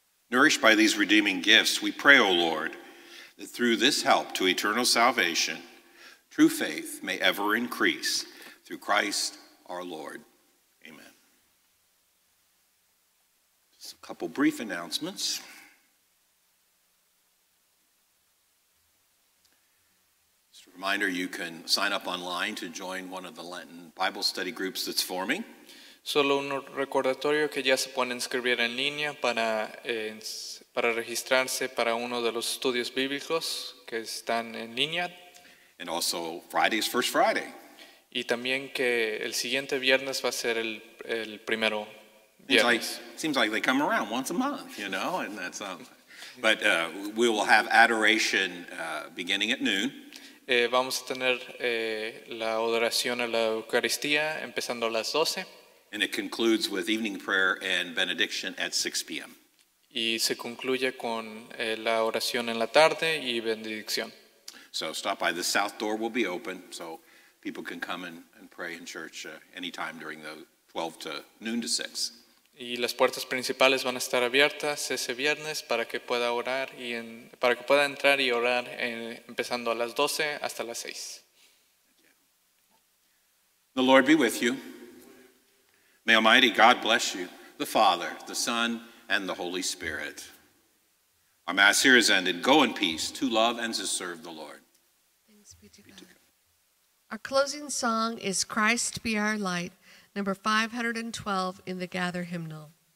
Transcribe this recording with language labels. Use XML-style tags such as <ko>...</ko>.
<en>Nourished by these redeeming gifts, we pray, O Lord, that through this help to eternal salvation, true faith may ever increase through Christ our Lord. Amen. Just a couple brief announcements. Just a reminder, you can sign up online to join one of the Lenten Bible study groups that's forming.</en> <es>Solo un recordatorio que ya se pueden inscribir en línea para registrarse para uno de los estudios bíblicos que están en línea.</es> <en>And also, Friday is First Friday.</en> <es>Y también que el siguiente viernes va a ser el primero viernes.</es> <en>Seems like they come around once a month, you know, and that's But we will have adoration beginning at noon.</en> <es>Vamos a tener la adoración a la Eucaristía empezando a las 12.</es> <en>And it concludes with evening prayer and benediction at 6 p.m.</en> <es>Y se concluye con la oración en la tarde y bendición.</es> <en>So stop by. The south door will be open, so people can come and pray in church anytime during the 12 to noon to 6.</en> <es>Y las puertas principales van a estar abiertas ese viernes para que pueda orar y en, para que pueda entrar y orar en, empezando a las 12 hasta las 6.</es> <en>The Lord be with you. May Almighty God bless you, the Father, the Son, and the Holy Spirit. Our Mass here is ended. Go in peace to love and to serve the Lord. Thanks be to God. Our closing song is Christ Be Our Light, number 512 in the Gather Hymnal.</en>